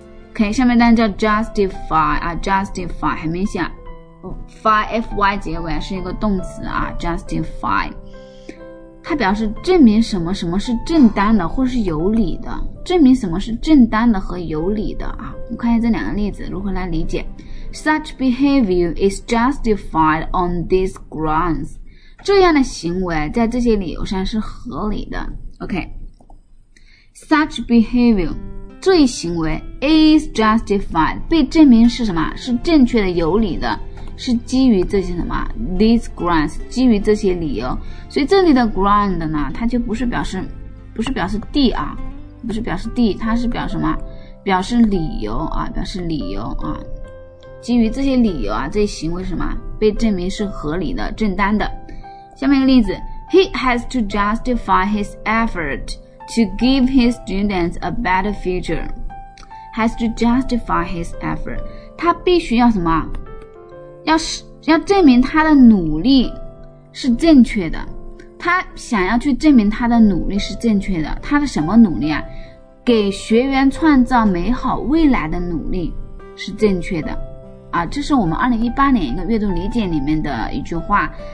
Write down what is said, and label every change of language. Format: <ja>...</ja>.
<zh>OK， 下面单词叫 justify 啊， justify 很明显 fy 结尾是一个动词啊， justify 它表示证明什么什么是正当的或是有理的，证明什么是正当的和有理的啊。我们看一下这两个例子如何来理解。</zh> <en>Such behavior is justified on these grounds.</en> <zh>这样的行为在这些理由上是合理的。OK. Such behavior, 这一行为 is justified, 被证明是什么？是正确的、有理的，是基于这些什么 ？These grounds, 基于这些理由。所以这里的 ground 呢，它就不是表示地啊，不是表示地，它是表示什么？表示理由啊，表示理由啊。基于这些理由啊，这些行为是什么被证明是合理的、正当的。下面一个例子，</zh> <en>He has to justify his effort to give his students a better future. Has to justify his effort.</en> <zh>他必须要什么？要证明他的努力是正确的。他想要去证明他的努力是正确的。他的什么努力啊？给学员创造美好未来的努力是正确的。啊，这是我们2018年一个阅读理解里面的一句话。</zh>